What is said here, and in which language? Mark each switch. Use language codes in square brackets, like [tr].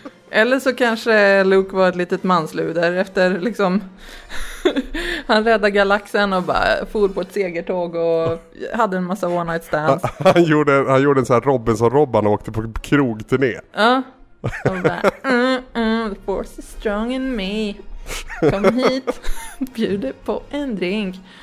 [sv] Eller så kanske Luke var ett litet mansluder efter liksom han räddade galaxen och bara for på ett segertåg och hade en massa one night stands. Han gjorde en sån här Robinson-Robban och åkte på krogturné. Ja. [en] The force is strong in me. [sv] Kom hit, bjuder på en drink.